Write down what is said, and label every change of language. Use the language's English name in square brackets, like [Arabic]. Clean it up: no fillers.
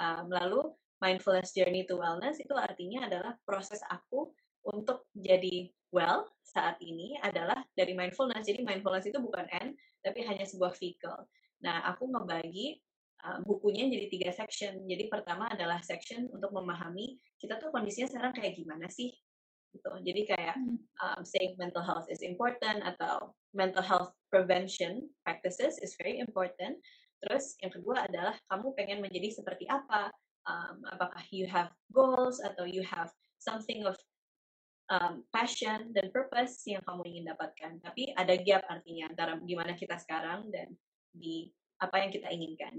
[Indonesian] Lalu mindfulness [English] journey to wellness [Indonesian] itu artinya adalah proses aku untuk jadi well saat ini adalah dari mindfulness. Jadi mindfulness itu bukan end, tapi hanya sebuah vehicle. Nah, aku ngebagi bukunya jadi 3 section. Jadi pertama adalah section untuk memahami kita tuh kondisinya sekarang kayak gimana sih. Gitu. Jadi kayak [English] saying mental health is important [Indonesian] atau [English] mental health prevention practices is very important. [Indonesian] Terus yang kedua adalah kamu pengen menjadi seperti apa? Apakah [English] you have goals [Indonesian] atau [English] you have something of passion [Indonesian] dan purpose yang kamu ingin dapatkan? Tapi ada gap artinya antara gimana kita sekarang dan di apa yang kita inginkan.